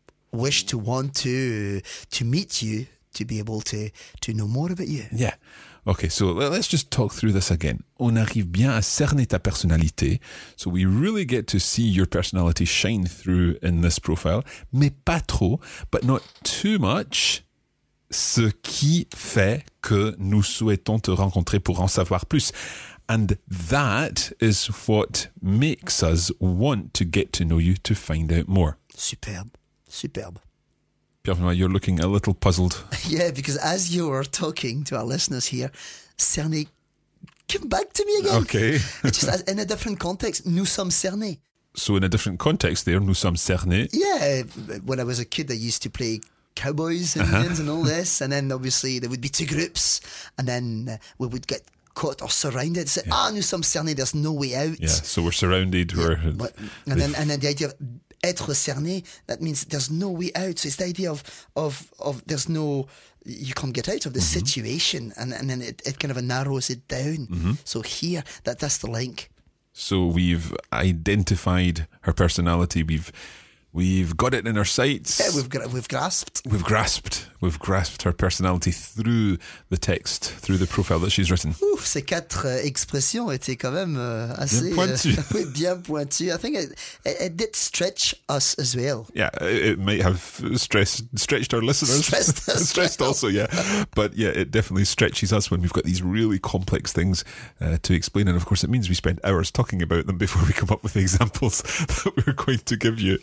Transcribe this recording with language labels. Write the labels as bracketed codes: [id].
[en] wish to want to meet you, to be able to know more about you. Yeah. Okay, so let's just talk through this again. [fr] On arrive bien à cerner ta personnalité. [en] So we really get to see your personality shine through in this profile. [fr] Mais pas trop, [en] but not too much. [fr] Ce qui fait que nous souhaitons te rencontrer pour en savoir plus. [en] And that is what makes us want to get to know you to find out more. [fr] Superbe, superbe. [en] Pierre-Benoît, you're looking a little puzzled. Yeah, because as you are talking to our listeners here, cerner came back to me again. Okay. Just in a different context, [fr] nous sommes cernés. [en] So in a different context there, [fr] nous sommes cernés. [en] Yeah, when I was a kid, I used to play cowboys, Indians and all this. And then obviously there would be two groups and then we would get caught or surrounded. Say, [fr] nous sommes cernés, [en] there's no way out. Yeah, so we're surrounded. And then the idea of... [fr] être cerné, [en] that means there's no way out. So it's the idea of there's no, you can't get out of the situation. And then it kind of narrows it down. Mm-hmm. So here, that's the link. So we've identified her personality. We've got it in our sights. Yeah, we've grasped. We've grasped. We've grasped her personality through the text, through the profile that she's written. [fr] Ouh, ces quatre expressions étaient quand même assez... bien pointues. Bien pointues. [en] I think it did stretch us as well. Yeah, it might have stretched our listeners. Stressed us. Stressed also, yeah. But yeah, it definitely stretches us when we've got these really complex things to explain. And of course, it means we spend hours talking about them before we come up with the examples that we're going to give you.